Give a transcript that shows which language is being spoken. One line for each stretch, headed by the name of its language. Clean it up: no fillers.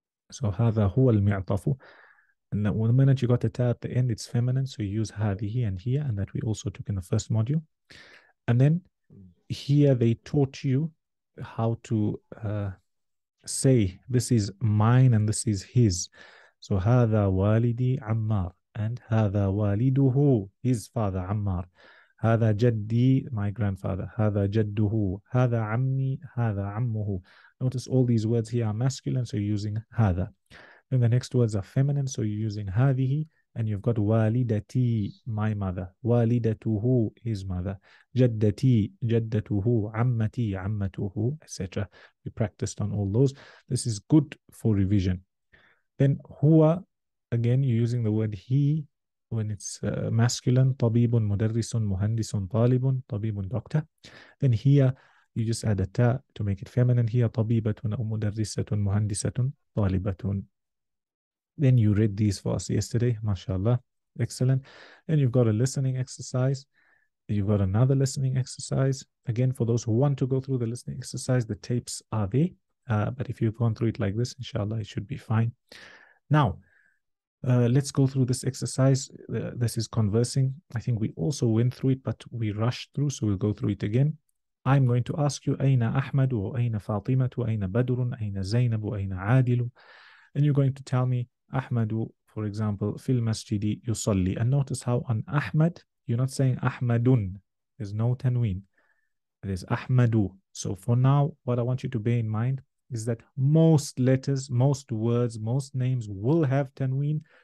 English: So hadha huwa al-mi'tafu. And the minute you got a ta at the end, it's feminine, so you use hadhihi and here, and that we also took in the first module. And then here they taught you how to say this is mine and this is his.
Arabic: So هذا والدي عمار and هذا والده
English: his father
Arabic: عمار. هذا جدي
English: my grandfather.
Arabic: هذا جده. هذا عمي. هذا عمه.
English: Notice all these words here are masculine, so you're using هذا. Then the next words are feminine, so you're using هذه. And you've got والدتي, my mother.
Arabic: والدته,
English: his mother.
Arabic: جدتي, جدته. عمتي, عمته, etc.
English: We practiced on all those. This is good for revision. Then هو, again, you're using the word he when it's masculine.
Arabic: طبيب, مدرس, مهندس, طالب, طبيب, doctor.
English: Then here, you just add a تا to make it feminine.
Arabic: هي طبيبة أو مدرسة مهندسة طالبة.
English: Then you read these for us yesterday, mashallah, excellent. Then you've got a listening exercise. You've got another listening exercise. Again, for those who want to go through the listening exercise, the tapes are there. But if you've gone through it like this, inshallah, it should be fine. Now, let's go through this exercise. This is conversing. I think we also went through it, but we rushed through, so we'll go through it again. I'm going to ask you,
Arabic: أين أحمد وأين فاطمة وأين بدر وأين زينب وأين عادل.
English: And you're going to tell me, Ahmadu, for example, fil masjidi yusalli. And notice how on Ahmad, you're not saying Ahmadun. There's no tanween. It is Ahmadu. So for now, what I want you to bear in mind is that most letters, most words, most names will have tanween.